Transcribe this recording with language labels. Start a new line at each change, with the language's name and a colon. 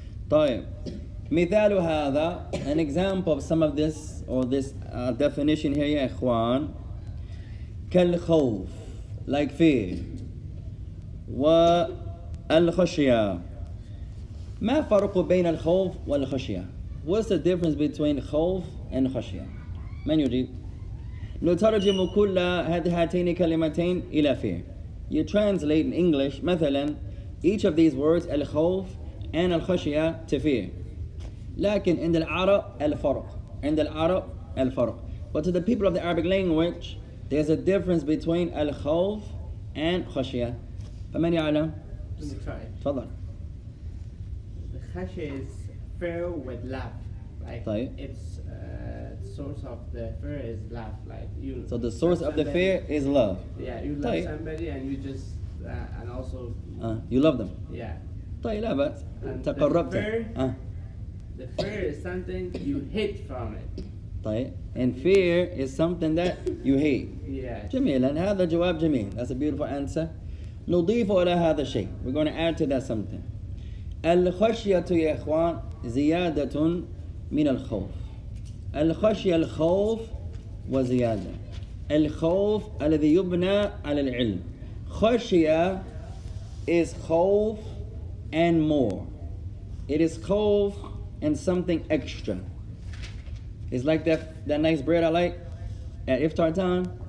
Arabic: طيب, مثال هذا,
English: an example of some of this or this definition here,
Arabic: يا إخوان, كالخوف,
English: like fear,
Arabic: والخشية. ما فرق بين الخوف والخشية؟
English: What's the difference between
Arabic: خوف and خشية؟ من يجيب؟ نترجم كل هاتين كلمتين إلى fear.
English: You translate in English,
Arabic: مثلا,
English: each of these words, الخوف and الخشية, to fear.
Arabic: لكن عند العرب الفرق, عند العرب الفرق.
English: But to the people of the Arabic language, there's a difference between الخوف and خشية.
Arabic: فمن يعلم؟
English: Let me try it.
Arabic: تفضل.
English: الخشية is fear with love, right?
Arabic: طيب.
English: It's the source of the fear is love, like you. So the source of the fear is love. Yeah, you love طيب. Somebody and you just and also. You love them. Yeah.
Arabic: طيب, لا بأس. تقربت.
English: The fear is something you hate from it.
Arabic: طيب.
English: And fear is something that you hate. Yeah.
Arabic: جميل. هذا جواب جميل.
English: That's a beautiful answer.
Arabic: نضيف إلى هذا الشيء.
English: We're going to add to that something.
Arabic: الخشية يا إخوان زيادة من الخوف. الخشية الخوف وزيادة. الخوف الذي يبنى على العلم.
English: خشية is خوف and more. It is خوف and something extra. It's like that nice bread I like at iftar time.